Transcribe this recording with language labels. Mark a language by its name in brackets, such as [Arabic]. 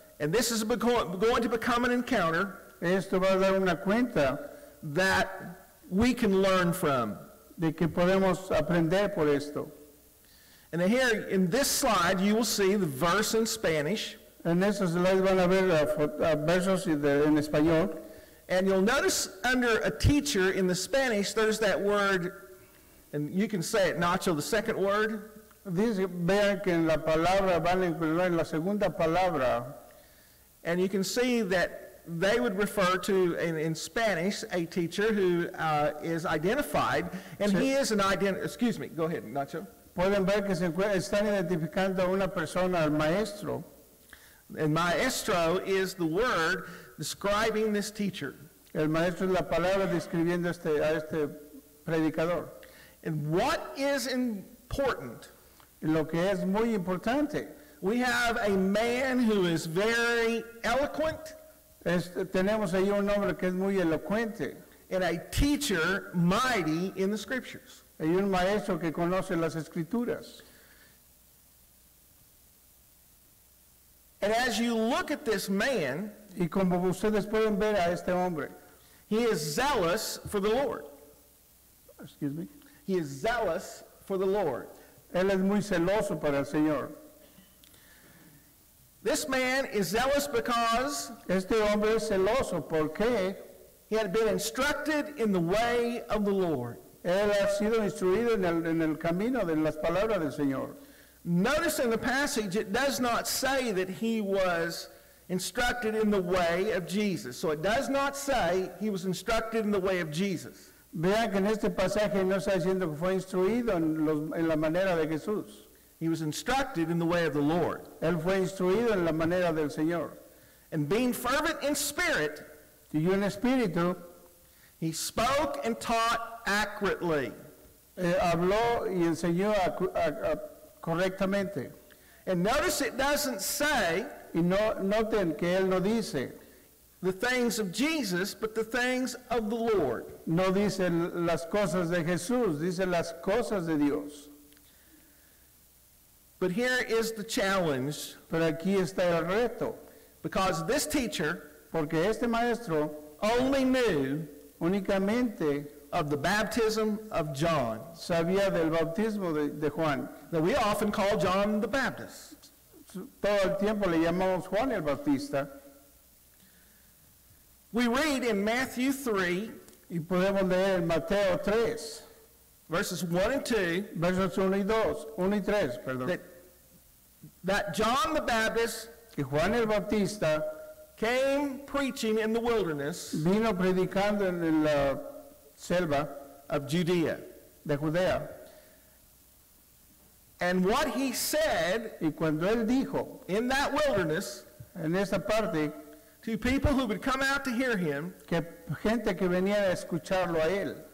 [English] And this is going to become an encounter. [Spanish] Esto va a dar una cuenta [English] that we can learn from. [Spanish] De que podemos aprender por esto. [English] And here in this slide, you will see the verse in Spanish. [Spanish] En este slide van a ver versos en español. [English] And you'll notice under a teacher in the Spanish, there's that word, and you can say it, Nacho, the second word. [Spanish] Dice, vean que en la palabra van a encontrar la segunda palabra. [English] And you can see that they would refer to, in Spanish, a teacher who is identified. And he is an go ahead, Nacho. [Spanish] Pueden ver que están identificando una persona, el maestro. [English] And maestro is the word describing this teacher. [Spanish] El maestro es la palabra describiendo a este predicador. [English] And what is important? [Spanish] Lo que es muy importante. [English] We have a man who is very eloquent. [Spanish] Tenemos ahí un hombre que es muy elocuente. [English] And a teacher mighty in the scriptures. [Spanish] Hay un maestro que conoce las escrituras. [English] And as you look at this man, [Spanish] y como ustedes pueden ver a este hombre, [English] he is zealous for the Lord. Excuse me. He is zealous for the Lord. [Spanish] Él es muy celoso para el Señor. [English] This man is zealous because [Spanish] este hombre es celoso porque [English] he had been instructed in the way of the Lord. [Spanish] Él ha sido instruido en el camino de las palabras del Señor. [English] Notice in the passage, it does not say that he was instructed in the way of Jesus. So it does not say he was instructed in the way of Jesus. [Spanish] Vean que en este pasaje no está diciendo que fue instruido en la manera de Jesús. [English] He was instructed in the way of the Lord. [Spanish] Él fue instruido en la manera del Señor. [English] And being fervent in spirit, [Spanish] do you in espíritu, [English] he spoke and taught accurately. [Spanish] Habló y enseñó correctamente. [English] And notice it doesn't say [Spanish] y no, noten que él no dice [English] the things of Jesus, but the things of the Lord. [Spanish] No dice las cosas de Jesús, dice las cosas de Dios. [English] But here is the challenge. [Spanish] Pero aquí está el reto. [English] Because this teacher, [Spanish] porque este maestro, [English] only knew [Spanish] únicamente [English] of the baptism of John. [Spanish] Sabía del bautismo de Juan. [English] That we often call John the Baptist. [Spanish] Todo el tiempo le llamamos Juan el Bautista. [English] We read in Matthew 3. [Spanish] Y podemos leer en Mateo 3. [English] Verses 1 and 2. [Spanish] Versos 1 y 3. [English] That John the Baptist. [Spanish] Que Juan el Bautista. [English] Came preaching in the wilderness. [Spanish] Vino predicando en la selva. [English] Of Judea. [Spanish] De Judea. [English] And what he said. [Spanish] Y cuando él dijo. [English] In that wilderness. [Spanish] En esa parte. [English] To people who would come out to hear him. [Spanish] Que gente que venía a escucharlo a él.